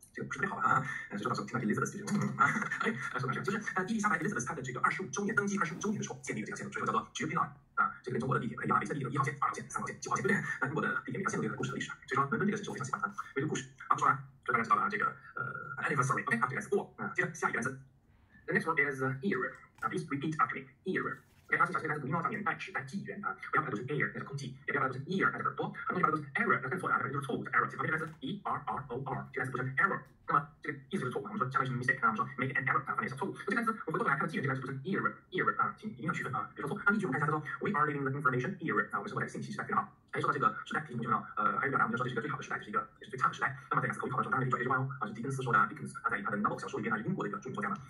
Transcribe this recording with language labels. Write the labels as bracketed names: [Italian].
[Chinese] 这个不是特别好啊，所以说到时候听到 Elizabeth 就觉得，说搞笑，就是伊丽莎白 Elizabeth 她的这个25周年登基25周年的时候建立的这条线路，所以说叫做 jubilee 啊，这个跟中国的地铁一样，A 线地铁一号线、二号线、三号线、九号线，对不对？那中国的地铁每条线路都有故事和历史，所以说伦敦这个城市我非常喜欢它，因为故事。好，不说了，就大概知道了这个anniversary， OK， 啊，这个词过，接着下一个单词 ， [English] the next one is era， [Chinese] 啊 ， [English] please repeat after me， [Chinese] era。哎，它是小心，它是古英语上年代、时代、纪元啊，不要把它读成 air， 那是空气；也不要把它读成 ear， 那是耳朵。很多地方都是 error， 那是错的啊，那就是错误，是 error。旁边那是 e r r o r， 这个单词读成 error。那么这个意思就是错误，我们说相当于是 mistake， 那我们说 make an error， 啊，翻译成错误。这个单词我们回过来看到纪元，这个单词读成 ear， 啊，请一定要区分啊，比如说错。那例句我们看一下，他说 [English] we are living the information era， [Chinese] 啊，我们生活在信息时代，非常好。哎，说到这个时代，提醒我们重要。还有表达，我们就说这是一个最好的时代，就是一个也是最差的时代。那么在雅思口语考的时候，当然可以转一句话哦，啊，是狄更斯说的。狄更斯他在他的 novel 小说里边，他是英国的一个著名作家嘛。